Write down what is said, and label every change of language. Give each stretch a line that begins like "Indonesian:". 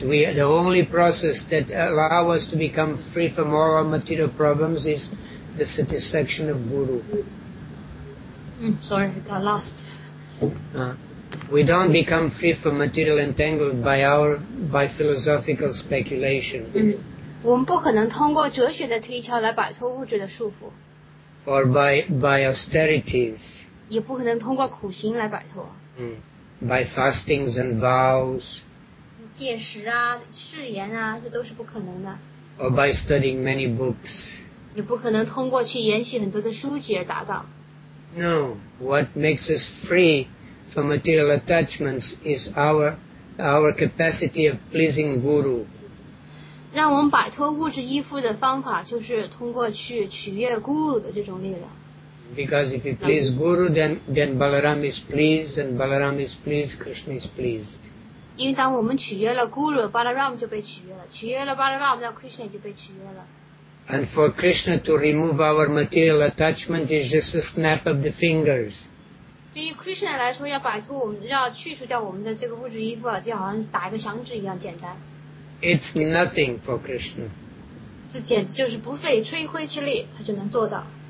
English: The only process that allows us to become free from all our material problems is the satisfaction of Guru. Sorry, I got lost. We don't become free from material entanglement by philosophical speculation.
Chinese: 我们不可能通过哲学的推敲来摆脱物质的束缚
English: or by austerities
Chinese: 也不可能通过苦行来摆脱、
English: by fastings and vows
Chinese: 戒食啊誓言啊这都是不可能的
English: or by studying many books
Chinese: 也不可能通过去研习很多的书籍而达到
English: No, what makes us free from material attachments is our capacity of pleasing Guru
Chinese: 让我们摆脱物质依附的方法就是通过去取悦 Guru 的这种力量。
English: Because if you please Guru, then Balaram is pleased, and Balaram is pleased, Krishna is pleased.
Chinese: 因为当我们取悦了 Guru, Balaram 就被取悦了，取悦了 Balaram, 那 Krishna 就被取悦了。
English: And for Krishna to remove our material attachment is just a snap of the fingers.
Chinese: 对于 Krishna 来说，要摆脱我们，要去除掉我们的这个物质依附，就好像打一个响指一样简单。
English: It's nothing for Krishna.
Chinese: 这简直就是不费吹灰之力，他就能做到。